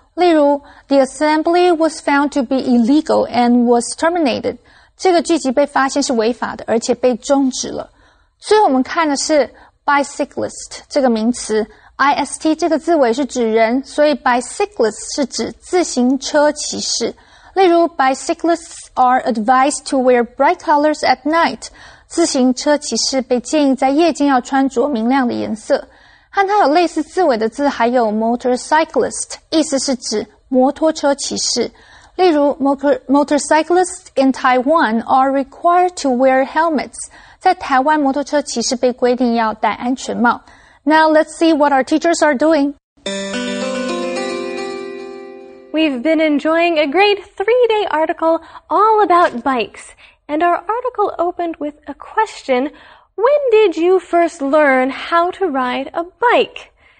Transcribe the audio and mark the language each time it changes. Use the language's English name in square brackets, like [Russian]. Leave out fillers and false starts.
[Chinese] 例如 [English] the assembly was found to be illegal and was terminated. [Chinese] 这个聚集被发现是违法的而且被终止了。最后我们看的是 bicyclist 这个名词。 IST 这个字尾是指人所以 bicyclist 是指自行车骑士。例如 [English] bicyclists are advised to wear bright colors at night. [Chinese] 自行车骑士被建议在夜间要穿着明亮的颜色。和它有类似字尾的字还有 motorcyclist, 意思是指摩托车骑士。例如 [English] motorcyclists in Taiwan are required to wear helmets. [Chinese] 在台湾摩托车骑士被规定要戴安全帽。 [English] Now let's see what our teachers are doing. We've been enjoying a great 3-day article all about bikes. And our article opened with a question. When did you first learn how to ride a bike?